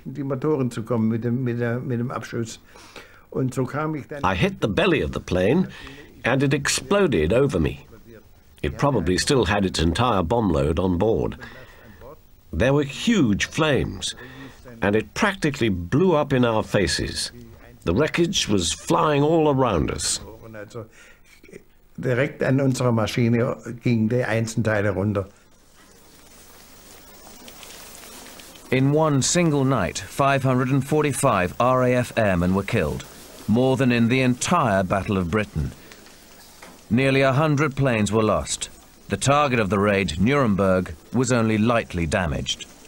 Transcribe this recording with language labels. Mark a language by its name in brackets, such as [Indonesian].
[English] I hit the belly of the plane, and it exploded over me. It probably still had its entire bomb load on board. There were huge flames, and it practically blew up in our faces. The wreckage was flying all around us. [German] Direkt an unserer Maschine gingen die Einzelteile runter. [English] In one single night, 545 RAF airmen were killed, more than in the entire Battle of Britain. Nearly 100 planes were lost. The target of the raid, Nuremberg, was only lightly damaged.